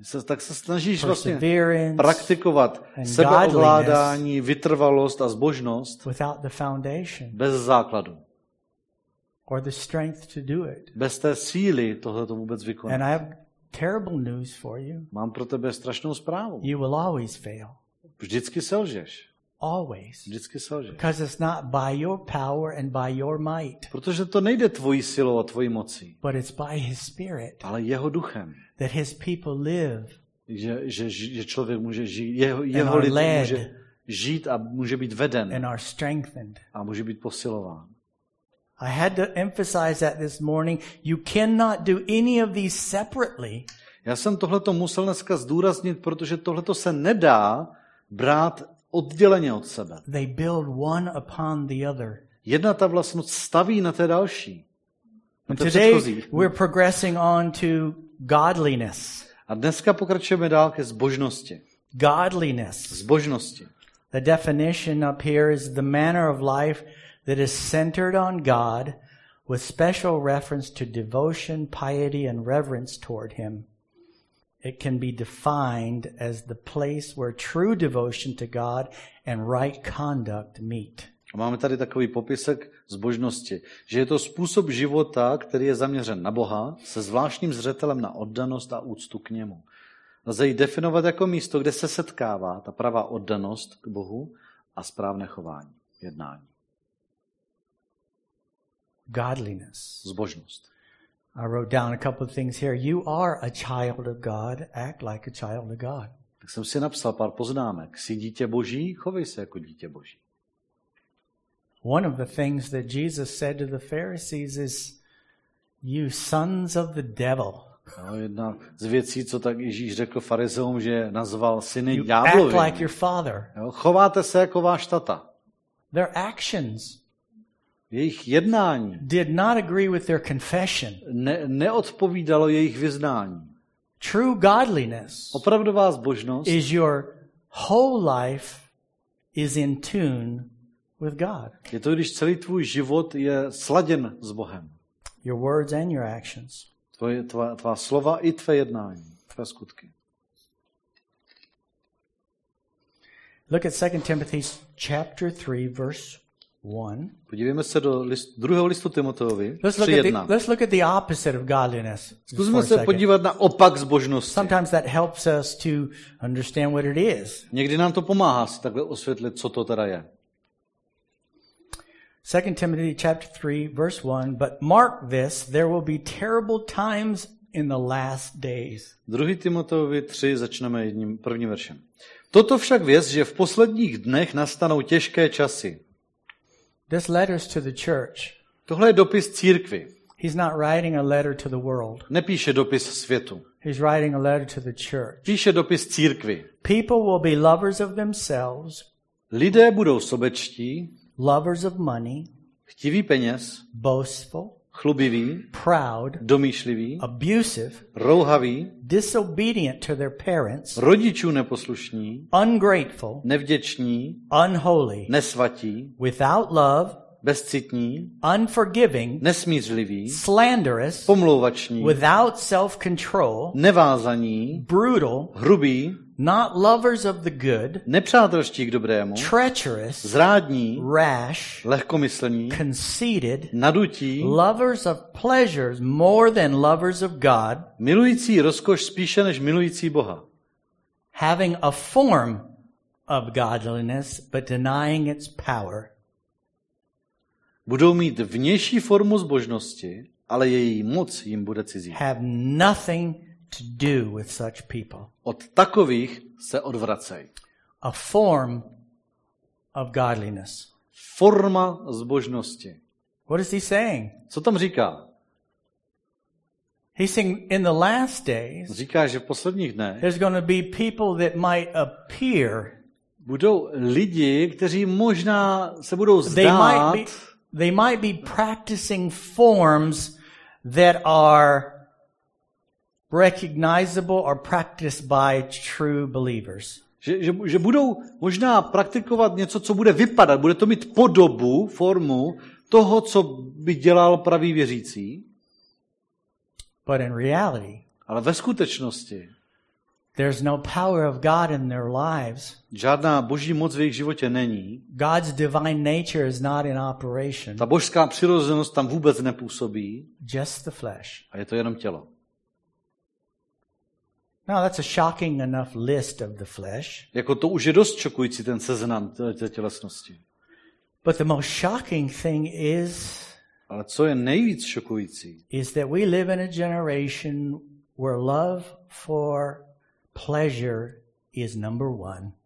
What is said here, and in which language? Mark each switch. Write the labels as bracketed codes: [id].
[cs] tak se snažíš vlastně praktikovat sebeovládání, vytrvalost a zbožnost [en] without the foundation, [cs] bez základu, [en] or the strength to do it. [cs] Bez té síly tohle to vůbec vykonat. [en] And I have terrible news for you. [cs] Mám pro tebe strašnou zprávu. [en] You will always fail. [cs] Vždycky selžeš. [en] Always. [cs] Vždycky selžeš. [en] Because it's not by your power and by your might. [cs] Protože to nejde tvojí silou a tvojí mocí. [en] But it's by his spirit. [cs] Ale jeho duchem. [en] That his people live. [cs] Že člověk může žít, jeho lid může žít a může být veden. [en] And are strengthened. [cs] A může být posilován. [en] I had to emphasize that this morning. You cannot do any of these separately. [cs] Já jsem tohleto musel dneska zdůraznit, protože tohleto se nedá brát odděleně od sebe. [en] They build one upon the other. [cs] Jedna ta vlastnost staví na té další. [en] And today we're progressing on to godliness. [cs] A dneska pokračujeme dál ke zbožnosti. [en] Godliness. [cs] Zbožnosti. [en] The definition up here is the manner of life that is centered on God with special reference to devotion, piety and reverence toward him. It can be defined as the place where true devotion to God and right conduct meet. [cs] Máme tady takový popisek zbožnosti, že je to způsob života, který je zaměřen na Boha, se zvláštním zřetelem na oddanost a úctu k němu. Lze ji definovat jako místo, kde se setkává ta pravá oddanost k Bohu a správné chování, jednání. [en] Godliness. [cs] Zbožnost. [en] I wrote down a couple of things here. You are a child of God. Act like a child of God. [cs] Tak jsem si napsal pár poznámek. Jsi dítě Boží, chovej se jako dítě Boží. [en] One of the things that Jesus said to the Pharisees is, you sons of the devil. [cs] No, jedna z věcí, co tak Ježíš řekl farizeům, že nazval syny [en] you [cs] ďáblovi. [en] Act like your father. [cs] Jo, chováte se jako váš tata. [en] Their actions. [cs] Jejich jednání [en] did not agree with their confession. [cs] Neodpovídalo jejich vyznání. [en] True godliness. [cs] Opravdová zbožnost. [en] Is your whole life is in tune with God. [cs] Je to, když celý tvůj život je sladěn s Bohem. [en] Your words and your actions. [cs] Tvá slova i tvé jednání, tvé skutky. [en] Look at 2 Timothy chapter 3 verse 1. [cs] Podívejme se do druhého listu Timoteovi. [en] Let's look at the opposite of godliness. [cs] Zkusme se podívat na opak zbožnosti. [en] Sometimes that helps us to understand what it is. [cs] Někdy nám to pomáhá si takhle osvětlit, co to teda je. [en] 2 Timothy chapter 3 verse 1, but mark this, there will be terrible times in the last days. [cs] 2. Timoteovi 3 začneme jedním prvním veršem. Toto však věz, že v posledních dnech nastanou těžké časy. [en] This letter is to the church. [cs] Tohle je dopis církvi. [en] He's not writing a letter to the world. [cs] Nepíše dopis světu. [en] He's writing a letter to the church. [cs] Píše dopis církvi. [en] People will be lovers of themselves. [cs] Lidé budou sobečtí. [en] Lovers of money. [cs] Chtiví peněz. [en] Boastful. [cs] Chlubivý, [en] proud, [cs] domýšlivý, [en] abusive, [cs] rouhavý, [en] disobedient to their parents, [cs] rodičů neposlušní, [en] ungrateful, [cs] nevděční, [en] unholy, [cs] nesvatí, [en] without love, [cs] bezcitní, [en] unforgiving, [cs] nesmířliví, [en] slanderous, [cs] pomlouvační, [en] without self-control, [cs] nevázaní, [en] brutal, [cs] hrubí, [en] not lovers of the good, [cs] nepřátelští k dobrému, [en] treacherous, [cs] zrádní, [en] rash, [cs] lehkomyslní, [en] conceited, [cs] nadutí, [en] lovers of pleasures more than lovers of God, [cs] milující rozkoš spíše než milující Boha, [en] having a form of godliness but denying its power, [cs] budou mít vnější formu zbožnosti, ale její moc jim bude cizí, [en] have nothing to do with such people. [cs] Od takových se odvracej. [en] A form of godliness. [cs] Forma zbožnosti. [en] What is he saying? [cs] Co tam říká? [en] He's saying in the last days. [cs] Říká, že v posledních dnech. [en] There's going to be people that might appear. [cs] Budou lidi, kteří možná se budou zdát. [en] They might be practicing forms that are recognizable or practiced by true believers. [cs] Že budou možná praktikovat něco, co bude vypadat, bude to mít podobu, formu toho, co by dělal pravý věřící. [en] But in reality, [cs] ale ve skutečnosti, [en] there's no power of God in their lives. [cs] Žádná boží moc v jejich životě není. [en] God's divine nature is not in operation. [cs] Ta božská přirozenost tam vůbec nepůsobí. [en] Just the flesh. [cs] A je to jenom tělo. [en] Now that's a shocking enough list of the flesh. [cs] Jako to už je dost šokující ten seznam tělesnosti. [en] But the most shocking thing is. [cs] Ale co je nejvíc šokující? [en] Is that we live in a generation where love for pleasure is number one.